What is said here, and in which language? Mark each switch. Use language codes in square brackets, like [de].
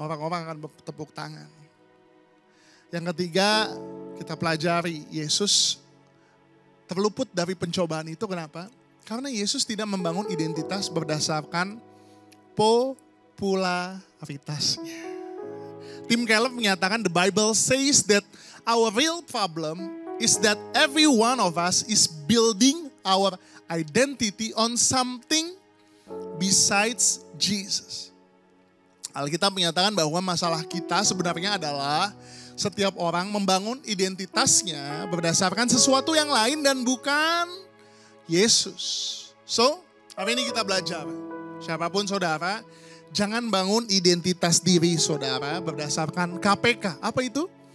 [id] Orang-orang akan bertepuk tangan. Yang ketiga, kita pelajari Yesus terluput dari pencobaan itu. Kenapa? Karena Yesus tidak membangun identitas berdasarkan popularitasnya. [en] Tim Keller menyatakan, the Bible says that our real problem is that every one of us is building our identity on something besides Jesus. [id] Alkitab menyatakan bahwa masalah kita sebenarnya adalah setiap orang membangun identitasnya berdasarkan sesuatu yang lain dan bukan Yesus. So, hari ini kita belajar. Siapapun saudara, jangan bangun identitas diri saudara berdasarkan KPK. Apa itu?